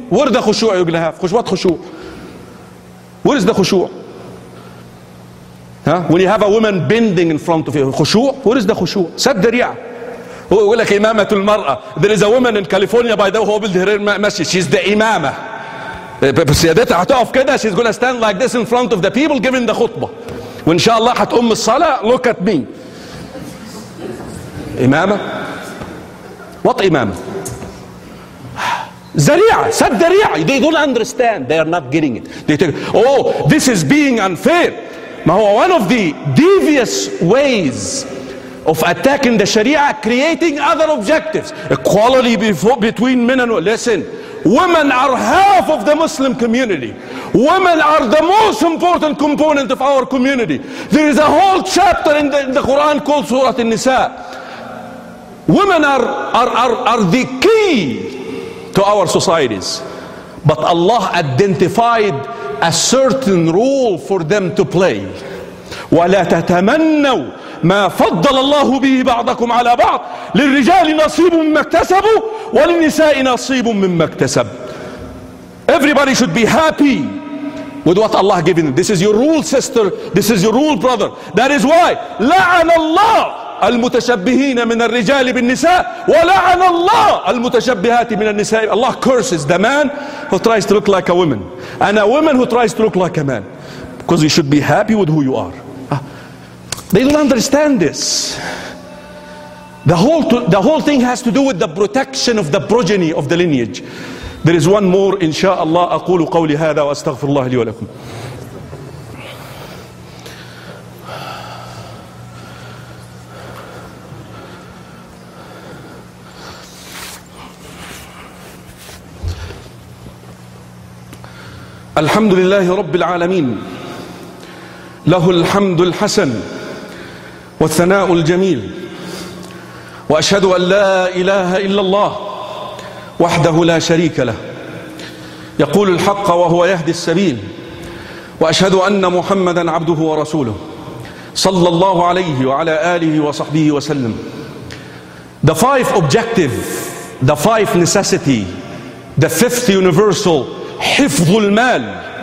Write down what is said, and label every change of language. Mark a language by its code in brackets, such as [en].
[en] Where is the خشوع you're gonna have? What خشوع? Where is the خشوع? Huh? When you have a woman bending in front of you, خشوع? Where is the خشوع? [ar] سد ذريعة. هو يقول لك إمامة المرأة. [en] There is a woman in California by the way, [ar] هو مسجد. [en] She's the إمامة. [ar] سيادتها هتقف كده. [en] She's gonna stand like this in front of the people giving the خطبة. [ar] وإن شاء الله هتقوم الصلاة. [en] Look at me. [ar] إمامة. [en] What [ar] إمامة؟ ذريعة. سد ذريعة. [en] They don't understand. They are not getting it. They think, oh, this is being unfair. [ar] ما هو [en] one of the devious ways of attacking the Sharia, creating other objectives. Equality between men and women. Listen, women are half of the Muslim community. Women are the most important component of our community. There is a whole chapter in the Quran called Surah An-Nisa. Women are the key to our societies. But Allah identified a certain role for them to play. [ar] وَلَا تَتَمَنَّوْا ما فضل الله به بعضكم على بعض للرجال نصيب مما اكتسبوا وللنساء نصيب مما اكتسب. [en] Everybody should be happy with what Allah given. This is your rule, sister. This is your rule, brother. That is why [ar] لعن الله المتشبهين من الرجال بالنساء ولعن الله المتشبهات من النساء. [en] Allah curses the man who tries to look like a woman and a woman who tries to look like a man, because you should be happy with who you are. They don't understand this. The whole thing has to do with the protection of the progeny, of the lineage. There is one more, inshallah, [ar] أقول قولي هذا وأستغفر الله لي ولكم. الحمد لله رب العالمين له الحمد الحسن والثناء الجميل, وأشهد أن لا إله إلا الله وحده لا شريك له, يقول الحق وهو يهدي السبيل, وأشهد أن محمدا عبده ورسوله صلى الله عليه وعلى آله وصحبه وسلم. [en] The five objective, the five necessity, the fifth universal, [ar] حفظ المال.